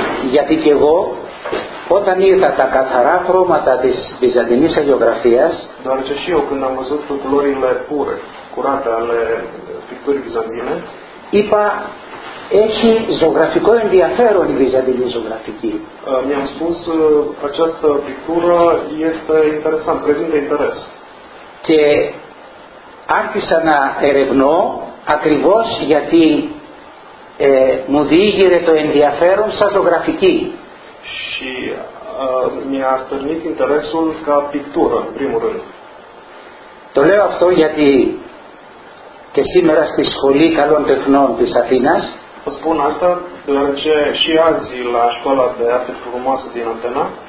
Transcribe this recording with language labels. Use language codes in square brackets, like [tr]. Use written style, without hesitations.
[el] Γιατί και εγώ, όταν είδα τα καθαρά χρώματα της Βυζαντινής αγιογραφίας, [ro] deoarece și eu când am văzut culorile pure, curate ale picturii bizantine, [el] είπα, έχει ζωγραφικό ενδιαφέρον η Βυζαντινή ζωγραφική. [ro] Mi-am spus, această pictură este interesant, prezintă interes. [el] Και άρχισα να ερευνώ ακριβώς γιατί μου διήγηρε το ενδιαφέρον σαν ζωγραφική. [ro] Și mi-a stârnit interesul ca pictură, în primul rând. [el] Το λέω αυτό γιατί και σήμερα στη Σχολή Καλών Τεχνών της Αθήνας, [ro] vă spun asta, deoarece și azi la Școala de Arte Frumoasă din Atena,